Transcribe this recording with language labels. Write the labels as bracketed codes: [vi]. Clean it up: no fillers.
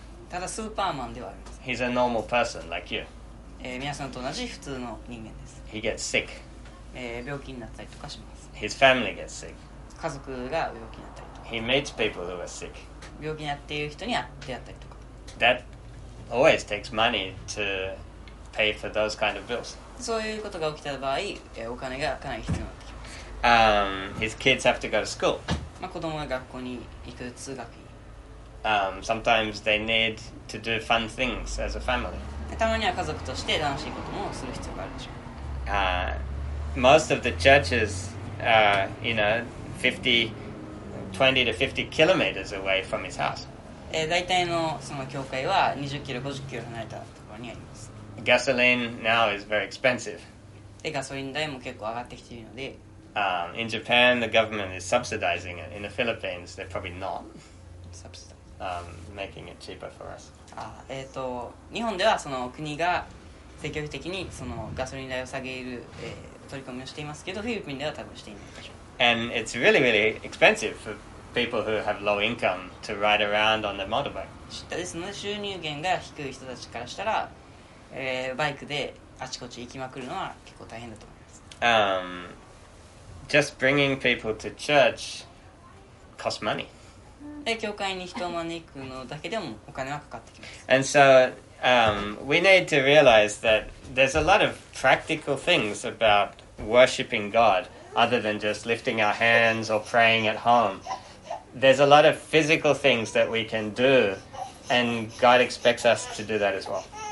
[ja] ただスーパーマンではありません。 [en] He's a normal person like you. [ja] 皆さんと同じ普通の人間です。 [en] He gets sick. [ja] 病気になったりとかします。 [en] His family gets sick. [ja] 家族が病気になったりとか。 [en] He meets people who are sick. [ja] 病気になっている人に出会ったりとか。 [en] That always takes money to pay for those kind of bills. [ja] そういうことが起きた場合、お金がかなり必要になってきます。 [en] His kids have to go to school. [ja] まあ子供が学校に行く通学費。 [en] Sometimes they need to do fun things as a family. [ja] たまには家族として楽しいこともする必要があるでしょう。 [en] Most of the churches are, you know, 20 to 50 kilometers away from his house. [ja] 大体のその教会は20キロ、50キロ離れたところにあります。 [en] Gasoline now is very expensive. [ja] で、ガソリン代も結構上がってきているので。 [en] In Japan, the government is subsidizing it. In the Philippines, they're probably not. Subsidizing. making it cheaper for us. [ja] Ah, 日本ではその国が積極的にそのガソリン代を下げる、取り組みをしていますけど、フィリピンでは多分していないでしょう。 [en] And it's really, really expensive for people who have low income to ride around on the motorbike. [ja] しかし、その収入源が低い人たちからしたら、バイクであちこち行きまくるのは結構大変だと思います。 [en] Just bringing people to church costs money. [ja] で、教会に人を招くのだけでもお金はかかってきます。 [en] And so, we need to realize that there's a lot of practical things about worshiping God other than just lifting our hands or praying at home. There's a lot of physical things that we can do, and God expects us to do that as well.